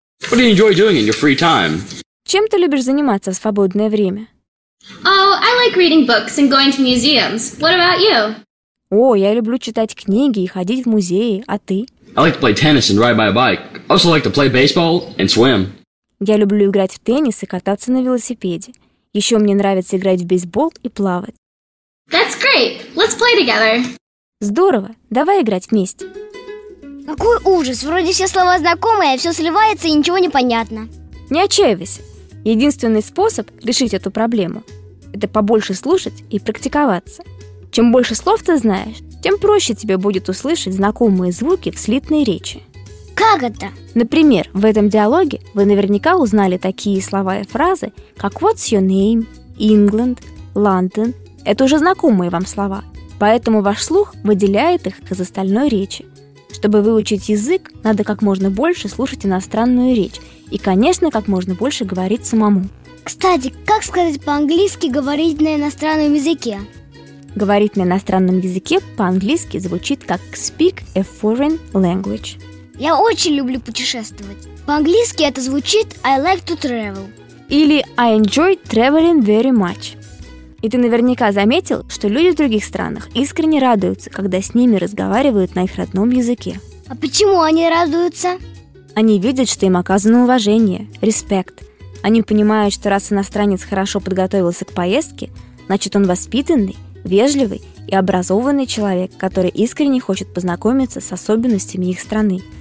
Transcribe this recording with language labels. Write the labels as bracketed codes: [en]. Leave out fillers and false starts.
[en] What do you enjoy doing in your free time? [ru] Чем ты любишь заниматься в свободное время? [en] Oh, I like reading books and going to museums. What about you? [ru] О, я люблю читать книги и ходить в музеи. А ты? [en] I like to play tennis and ride my bike. I also like to play baseball and swim. [ru] Я люблю играть в теннис и кататься на велосипеде. Еще мне нравится играть в бейсбол и плавать. [en] That's great. Let's play together. [ru] Здорово. Давай играть вместе. Какой ужас. Вроде все слова знакомые, а все сливается и ничего не понятно. Не отчаивайся. Единственный способ решить эту проблему – это побольше слушать и практиковаться. Чем больше слов ты знаешь, тем проще тебе будет услышать знакомые звуки в слитной речи. Как это? Например, в этом диалоге вы наверняка узнали такие слова и фразы, как [en] «What's your name?», [ru] «England?», «London?» – это уже знакомые вам слова. Поэтому ваш слух выделяет их из остальной речи. Чтобы выучить язык, надо как можно больше слушать иностранную речь и, конечно, как можно больше говорить самому. Кстати, как сказать по-английски «говорить на иностранном языке»? «Говорить на иностранном языке» по-английски звучит как [en] «speak a foreign language». [ru] Я очень люблю путешествовать. По-английски это звучит [en] I like to travel. Или I enjoy traveling very much. [ru] И ты наверняка заметил, что люди в других странах искренне радуются, когда с ними разговаривают на их родном языке. А почему они радуются? Они видят, что им оказано уважение, респект. Они понимают, что раз иностранец хорошо подготовился к поездке, значит он воспитанный, вежливый и образованный человек, который искренне хочет познакомиться с особенностями их страны.